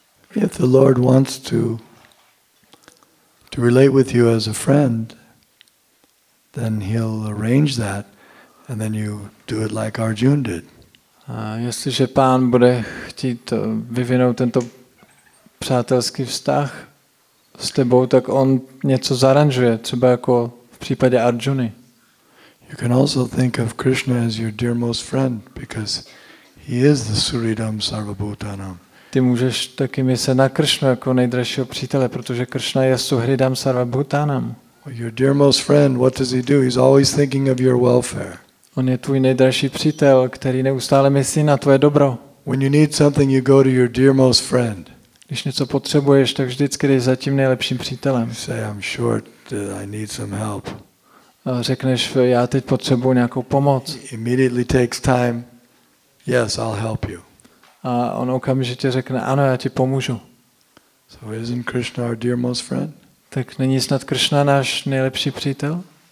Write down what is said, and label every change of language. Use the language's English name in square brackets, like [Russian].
[English] If the Lord wants to relate with you as a friend, then he'll arrange that, and then you do it like Arjuna did. [Czech] A jestliže pán bude chtít vyvinout tento přátelský vztah s tebou, tak on něco zaranžuje, třeba jako v případě Arjuny. [English] You can also think of Krishna as your dearmost friend, because he is the Suridam Sarvabhutanam. [Czech] Ty můžeš taky myslet na Krishnu jako nejdražšího přítele, protože Krishna je Suhridam Sarvabhutanam. [English] Your dearmost friend, what does he do? He's always thinking of your welfare. [Czech] On je tvůj nejdražší přítel, který neustále myslí na tvoje dobro. [English] When you need something, you go to your dearmost friend. [Czech] Když něco potřebuješ, tak vždycky jdeš za tím nejlepším přítelem. [English] You say, I'm short, I need some help. [Czech] A řekneš, já teď potřebuji nějakou pomoc. [English] He immediately takes time. Yes, I'll help you. [Czech] A on okamžitě řekne, ano, já ti pomůžu. [English] So isn't Krishna our dearmost friend? [Czech] Tak není snad Krishna náš nejlepší přítel?